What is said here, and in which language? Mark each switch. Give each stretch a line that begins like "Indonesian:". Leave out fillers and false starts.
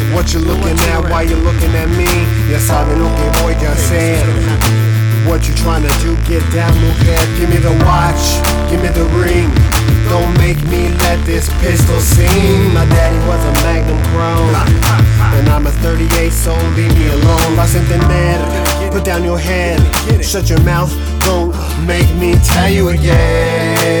English: You looking at, why you looking at me?
Spanish: Ya saben lo que voy a hacer.
English: What you trying to do? Get down,
Spanish: mujer.
English: Give me the watch, give me the ring. Don't make me let this pistol sing. My daddy was a magnum crown, and I'm a 38, so leave me alone.
Spanish: Vas a entender,
English: put down your hand. Shut your mouth, don't make me tell you again.